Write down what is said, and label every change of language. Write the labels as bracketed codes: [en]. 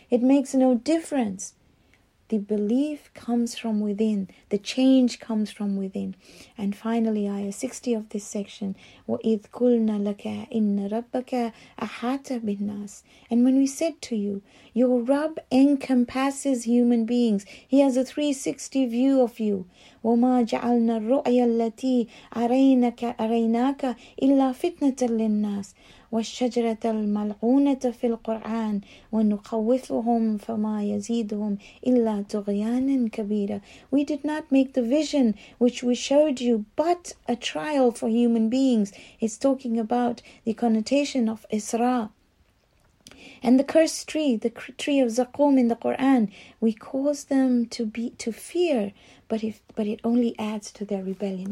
[en] It makes no difference. The belief comes from within. The change comes from within. And finally, ayah 60 of this section, [ar] وَإِذْ قُلْنَا لَكَ إِنَّ رَبَّكَ أَحَاتَ بِالنَّاسِ [en] And when we said to you, your Rabb encompasses human beings. He has a 360 view of you. [ar] وَمَا جَعَلْنَا الرُّؤْيَا الَّتِي أَرَيْنَاكَ إِلَّا فِتْنَةً لِلنَّاسِ والشجرة الملعونة في القرآن ونخوفهم فما يزيدهم إلا طغيانا كبيرا. [en] We did not make the vision which we showed you but a trial for human beings. It's talking about the connotation of Isra. And the cursed tree, the tree of Zakum in the Quran, we cause them to fear, but it only adds to their rebellion.